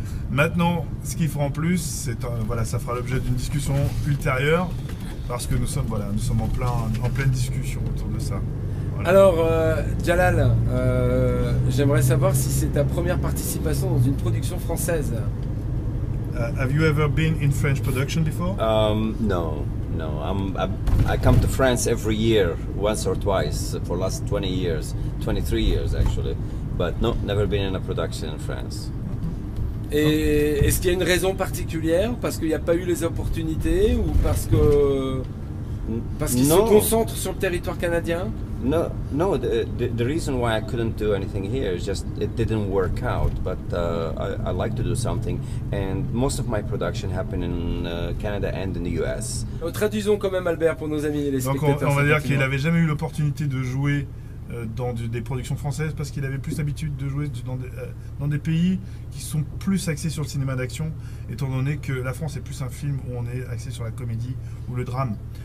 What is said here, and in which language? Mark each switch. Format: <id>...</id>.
<fr>Maintenant, ce qu'ils feront en plus, c'est voilà, ça fera l'objet d'une discussion ultérieure, parce que nous sommes, voilà, nous sommes en pleine discussion autour de ça. Voilà. Alors, Jalal, j'aimerais savoir si c'est ta première participation dans une production française.</fr> <en>Have you ever been in French production before? No. I come to France every year, once or twice, for the last 20 years, 23 years actually. But no, never been in a production in France.</en> <fr>Et est-ce qu'il y a une raison particulière? Parce qu'il n'y a pas eu les opportunités ou parce qu'ils se concentrent sur le territoire canadien?</fr> <en>No. The reason why I couldn't do anything here is just it didn't work out. But I like to do something, and most of my production happened in Canada and in the US.</en> <fr>Traduisons quand même Albert pour nos amis et les spectateurs. Donc on va dire qu'il n'avait jamais eu l'opportunité de jouer dans des productions françaises parce qu'il avait plus l'habitude de jouer dans des pays qui sont plus axés sur le cinéma d'action, étant donné que la France est plus un film où on est axé sur la comédie ou le drame.</fr>